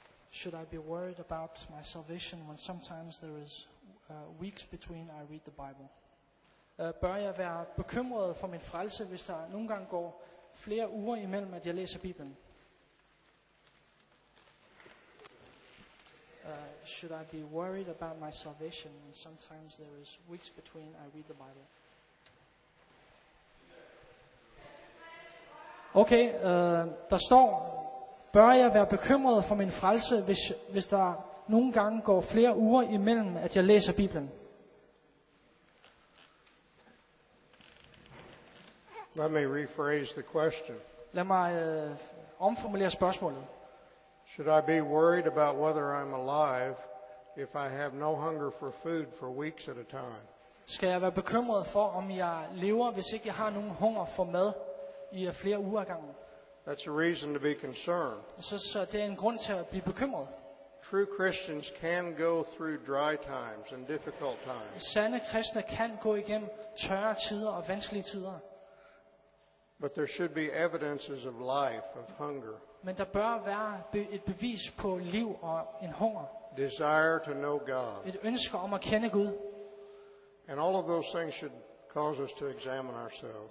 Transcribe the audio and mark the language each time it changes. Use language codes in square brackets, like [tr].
[en] Should I be worried about my salvation when sometimes there is weeks between I read the Bible? [da] Bør jeg være bekymret for min frelse, hvis der nogle gange går flere uger imellem, at jeg læser Bibelen? [en] Should I be worried about my salvation when sometimes there is weeks between I read the Bible? [da] Okay, der står, bør jeg være bekymret for min frelse, hvis der nogle gange går flere uger imellem, at jeg læser Bibelen? [en] Let me rephrase the question. [da] Lad mig omformulere spørgsmålet. [en] Should I be worried about whether I'm alive if I have no hunger for food for weeks at a time? [da] Skal jeg være bekymret for om jeg lever, hvis ikke jeg har nogen hunger for mad i flere uger ad gangen? [en] That's a reason to be concerned. [da] Så det er en grund til at blive bekymret. [en] True Christians can go through dry times and difficult times. [da] Sande kristne kan gå igennem tørre tider og vanskelige tider. [en] But there should be evidences of life, of hunger. [da] Men der bør være et bevis på liv og en hunger. [en] Desire to know God. [da] Et ønske om at kende Gud. [en] And all of those things should cause us to examine ourselves.